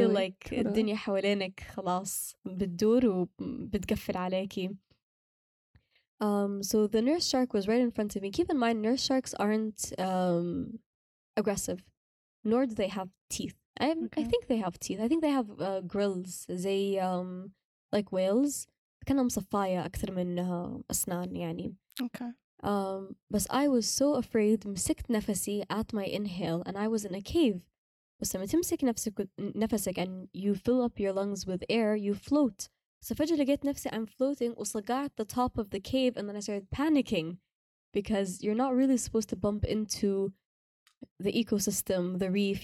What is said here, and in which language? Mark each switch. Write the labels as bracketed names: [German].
[English] feel like [Arabic] الدنيا حوالينك خلاص بتدور وبتقفل عليكي. [English] So the nurse shark was right in front of me. Keep in mind, nurse sharks aren't aggressive, nor do they have teeth. I think they have teeth. I think they have grills. They like whales. [Arabic] كان مصفاية أكثر من أسنان يعني. [English] Okay. But I was so afraid, [Arabic] مسكت نفسي [English] at my inhale, and I was in a cave. [Arabic] بس لما تمسك نفسك [English] and you fill up your lungs with air, you float. So [Arabic] فجأة لقيت نفسي [English] I'm floating, [Arabic] وصقعت [English] the top of the cave, and then I started panicking, because you're not really supposed to bump into the ecosystem, the reef.